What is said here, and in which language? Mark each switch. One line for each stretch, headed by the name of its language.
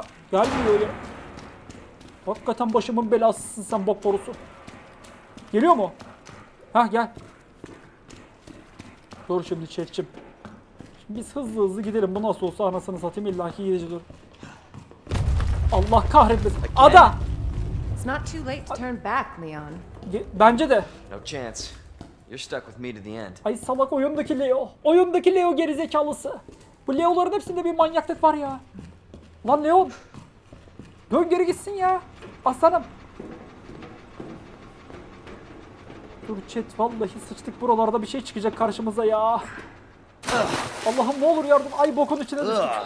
Turkish: Gelmiyor öyle. Hakikaten başımın belasısın sen bok borusu. Geliyor mu? Hah gel. Dur şimdi çetçim. Şimdi biz hızlı hızlı gidelim. Bu nasıl olsa anasını satayım illaki gidici dur. Allah kahretmesin. Ada!
English: It's not too late to turn back, Leon.
Turkish: Bence de.
English: No chance. You're stuck with me to the end.
Turkish: Ay salak oyundaki Leo. Oyundaki Leo gerizekalısı. Bu Leo'ların hepsinde bir manyaklık var ya. Lan Leon. Dön geri gitsin ya. Aslanım. Dur chat vallahi sıçtık buralarda bir şey çıkacak karşımıza ya. Allah'ım ne olur yardım. Ay bokun içine düştük.